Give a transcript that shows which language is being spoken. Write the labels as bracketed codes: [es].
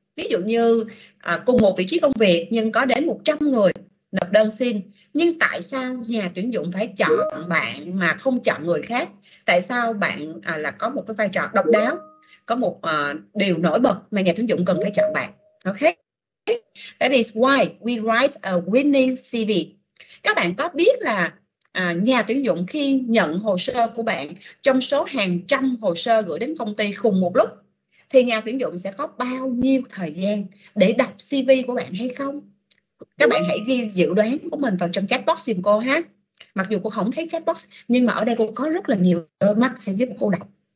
[vi] Ví dụ như cùng một vị trí công việc nhưng có đến 100 người nộp đơn xin. Nhưng tại sao nhà tuyển dụng phải chọn bạn mà không chọn người khác? Tại sao bạn là có một cái vai trò độc đáo, có một điều nổi bật mà nhà tuyển dụng cần phải chọn bạn? [en] Ok, that is why we write a winning CV. [vi] Các bạn có biết là nhà tuyển dụng khi nhận hồ sơ của bạn, trong số hàng trăm hồ sơ gửi đến công ty cùng một lúc, thì nhà tuyển dụng sẽ có bao nhiêu thời gian để đọc CV của bạn hay không? Các bạn hãy ghi dự đoán của mình vào trong chat box giùm cô ha. Mặc dù cô không thấy chat box nhưng mà ở đây cô có rất là nhiều đôi mắt sẽ giúp cô đọc.